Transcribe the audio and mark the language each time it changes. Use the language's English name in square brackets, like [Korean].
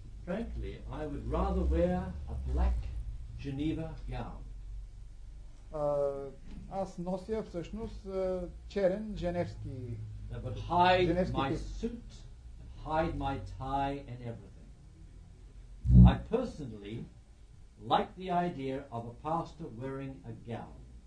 [English] Frankly, I would rather wear a black Geneva gown. [Bulgarian] Аз нося всъщност черен женевски. [English] That would hide my suit, hide my tie and everything. I personally like the idea of a pastor wearing a gown.